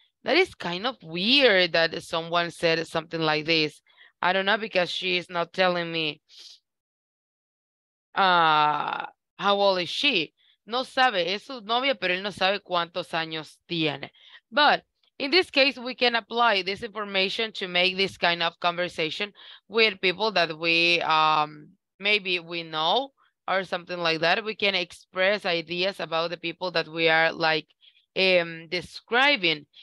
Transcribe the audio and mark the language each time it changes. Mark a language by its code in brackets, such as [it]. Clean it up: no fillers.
[en] That is kind of weird that someone said something like this. I don't know because she is not telling me. How old is she? [es] No sabe, es su novia, pero él no sabe cuántos años tiene. [en] But in this case, we can apply this information to make this kind of conversation with people that we maybe we know or something like that. We can express ideas about the people that we are like, describing.